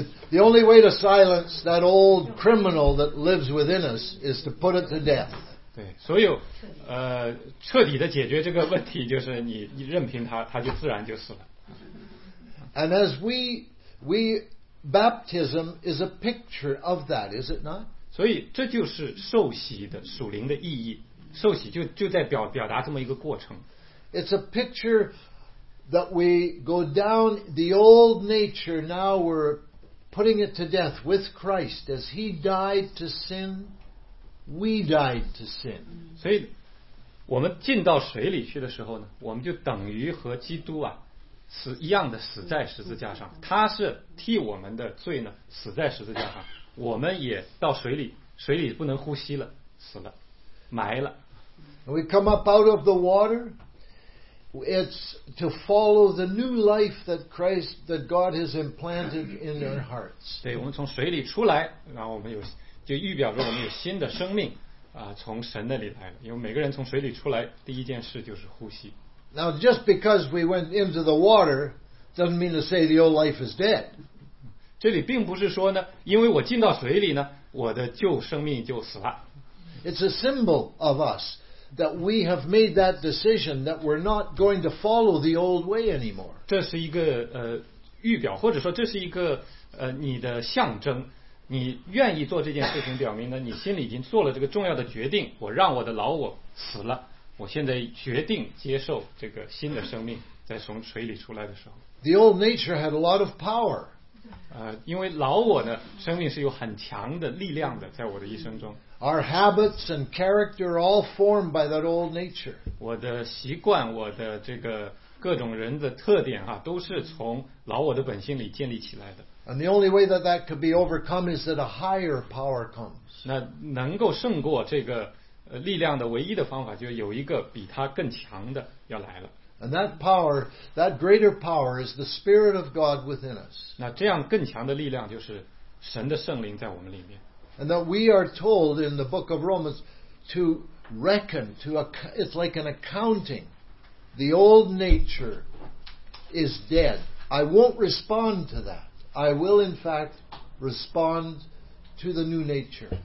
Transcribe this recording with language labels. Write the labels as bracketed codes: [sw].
[en] The only way to silence that old criminal that lives within us is to put it to death. [zh] 对，所有彻底的解决这个问题，就是你任凭他就自然就死了。 [en] And as we baptism is a picture of that, is it not? [zh] 所以这就是受洗的属灵的意义。受洗就在表达这么一个过程。 [en] It's a picture that we go down the old nature. Now we're putting it to death with Christ. As He died to sin, we died to sin. [zh] 所以我们进到水里去的时候呢，我们就等于和基督啊。死一样的死在十字架上他是替我们的罪呢死在十字架上我们也到水里水里不能呼吸了死了埋了 [en] We come up out of the water It's to follow the new life that Christ that God has implanted in our hearts [zh] 对我们从水里出来然后我们有就预表着我们有新的生命从神那里来了因为每个人从水里出来第一件事就是呼吸 [en] Now, just because we went into the water doesn't mean to say the old life is dead. [zh] 这里并不是说呢，因为我进到水里呢，我的旧生命就死了。 [en] It's a symbol of us that we have made that decision that we're not going to follow the old way anymore. [zh] 这是一个预表，或者说这是一个你的象征。你愿意做这件事情，表明呢，你心里已经做了这个重要的决定。我让我的老我死了。我现在决定接受这个新的生命，在从水里出来的时候。 [en] The old nature had a lot of power. [zh] 因为老我呢，生命是有很强的力量的，在我的一生中。 [en] Our habits and character are all formed by that old nature. [zh] 我的习惯，我的这个各种人的特点啊，都是从老我的本性里建立起来的。 [en] And the only way that that could be overcome is that a higher power comes. [zh] 那能够胜过这个。力量的唯一的方法就是有一个比他更强的要来了。 [en] And that power, that greater power is the Spirit of God within us. [zh] 那这样更强的力量就是神的圣灵在我们里面。 [en] And that we are told in the book of Romans to reckon, it's like an accounting. The old nature is dead. I won't respond to that. I will in fact respond to the new nature.